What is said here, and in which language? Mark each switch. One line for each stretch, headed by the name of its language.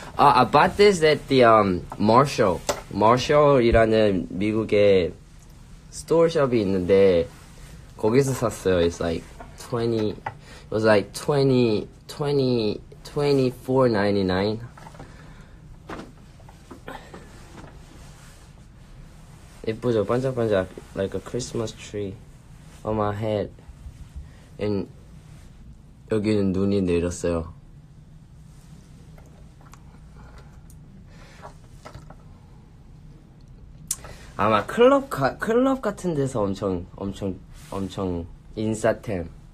English: I bought this at the Marshall.
Korean: Marshall이라는 미국의 스토어숍이 있는데 거기서 샀어요.
English: It's like 20. It was like 24.99.
Korean: 예쁘죠? 반짝반짝.
English: Like a Christmas tree on my head.
Korean: And 여기는 눈이 내렸어요. 아마 클럽 같은 데서 엄청 인싸템.